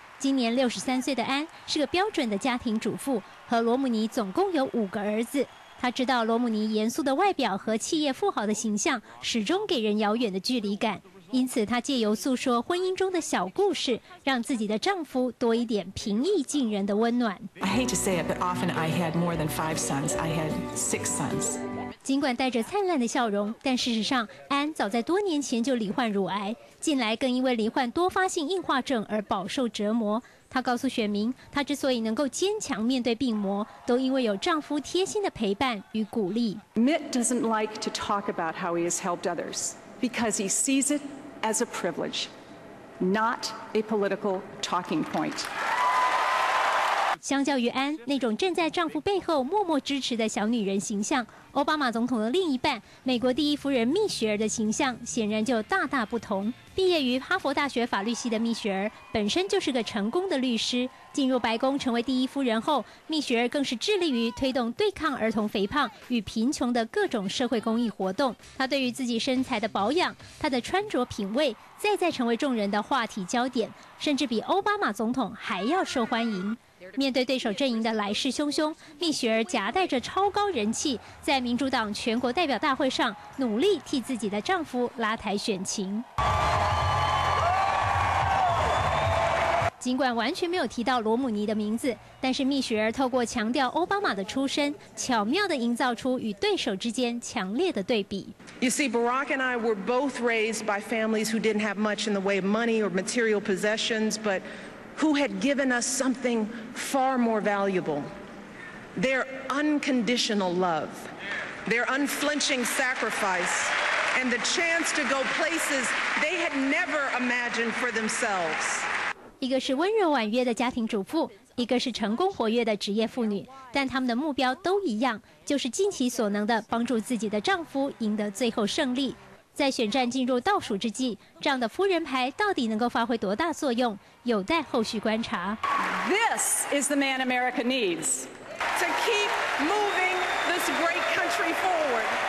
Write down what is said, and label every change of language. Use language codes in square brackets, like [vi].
[zh] 今年63岁的安是个标准的家庭主妇，和罗姆尼总共有5个儿子。她知道罗姆尼严肃的外表和企业富豪的形象，始终给人遥远的距离感。因此，她借由诉说婚姻中的小故事，让自己的丈夫多一点平易近人的温暖。 [en] I hate to say it, but often I had more than 5 sons. I had 6 sons. [zh] 尽管带着灿烂的笑容，但事实上，安早在多年前就罹患乳癌，近来更因为罹患多发性硬化症而饱受折磨。她告诉选民，她之所以能够坚强面对病魔，都因为有丈夫贴心的陪伴与鼓励。 [en] Mitt doesn't like to talk about how he has helped others. Because he sees it as a privilege, not a political talking point. [zh] 相较于安那种站在丈夫背后默默支持的小女人形象，奥巴马总统的另一半美国第一夫人蜜雪儿的形象显然就大大不同。毕业于哈佛大学法律系的蜜雪儿本身就是个成功的律师，进入白宫成为第一夫人后，蜜雪儿更是致力于推动对抗儿童肥胖与贫穷的各种社会公益活动。她对于自己身材的保养，她的穿着品味，再再成为众人的话题焦点，甚至比奥巴马总统还要受欢迎。面对对手阵营的来势汹汹，蜜雪儿夹带着超高人气，在民主党全国代表大会上努力替自己的丈夫拉台选情。尽管完全没有提到罗姆尼的名字，但是蜜雪儿透过强调奥巴马的出身，巧妙地营造出与对手之间强烈的对比。 [en] You see, Barack and I were both raised by families who didn't have much in the way of money or material possessions, but who had given us something far more valuable: their unconditional love, their unflinching sacrifice, and the chance to go places they had never imagined for themselves. [zh] 一个是温柔婉约的家庭主妇，一个是成功活跃的职业妇女，但他们的目标都一样，就是尽其所能地帮助自己的丈夫赢得最后胜利。在选战进入倒数之际，这样的夫人牌到底能够发挥多大作用，有待后续观察。 [en] This is the man America needs to keep moving this great country forward.